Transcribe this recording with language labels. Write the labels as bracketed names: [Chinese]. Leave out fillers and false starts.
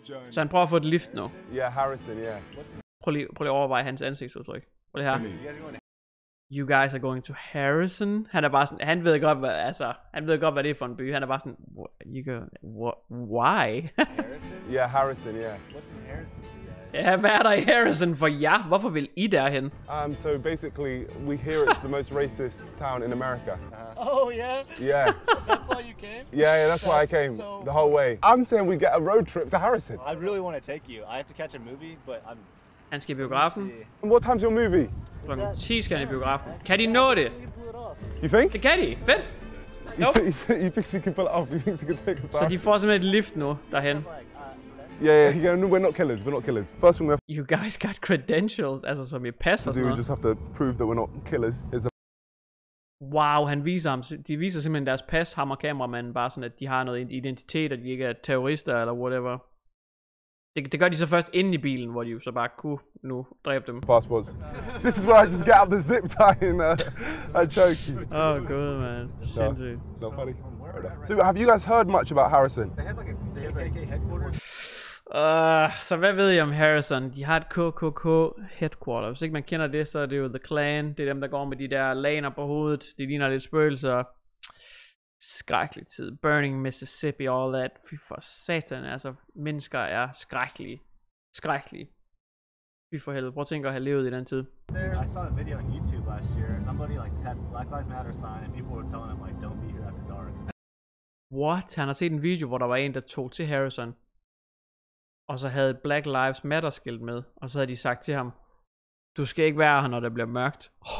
[Danish] Så han prøver at få et lift nu. [English] Yeah, Harrison, yeah. [Danish] Prøv lige at overveje hans ansigtsudtryk. Prøv lige her. [English] You guys are going to Harrison. [Danish] Han er bare sådan, han ved godt hvad det er for en by. Han er bare sådan, [English] you go, why? Harrison? Yeah, Harrison, yeah. What's in Harrison for you guys? [Danish] Ja, hvad er der i Harrison for jer? Hvorfor vil I derhen? [English] So basically, we hear it's the most racist town in America. Oh, yeah? Yeah. That's why you came? Yeah, that's why I came, so... the whole way. I'm saying we get a road trip to Harrison. I really want to take you. I have to catch a movie, but I'm... [Danish] Han skal i biografen. [English] What time's your movie? [Danish] Klokken 10 skal han i biografen. Kan de nå det? [English] You think? [Danish] Det kan de. Fedt. [English] You think he can pull it off? You think he can take us back? [Danish] Så de får simpelthen et lift nu, derhen. [English] Yeah, yeah, yeah. We're not killers. First one we have... You guys got credentials, [Danish] altså som I pass og sådan [English] noget. We just have to prove that we're not killers. [Danish] Wow, de viser simpelthen deres pas, ham og kameramanden, bare sådan, at de har noget identitet, og de ikke er terrorister eller whatever. Det gør de så først inde i bilen, hvor de så bare kunne nu dræbe dem. [English] Passports. This is where I just get out the zip tie and I choke you. Oh, good, man. [Danish] Sindssygt. [English] No, funny. So, have you guys heard much about Harrison? They have like a KKK headquarters. [Danish] Så hvad ved I om Harrison? De har et KKK headquarters. Hvis ikke man kender det, så er det jo The Clan. Det er dem, der går med de der laner på hovedet. De ligner lidt spøgelser. Skrækkelig tid. [English] Burning Mississippi, all that. [Danish] Fy for satan, altså. Mennesker er skrækkelige. Skrækkelige. Fy for helvede. Prøv at tænke at have levet i den tid. [English] I saw a video on YouTube last year. Somebody like had Black Lives Matter sign, and people were telling him like, don't be here after dark. What? [Danish] Han har set en video, hvor der var en, der tog til Harrison. Og så havde Black Lives Matter skilt med. Og så havde de sagt til ham, du skal ikke være her, når det bliver mørkt.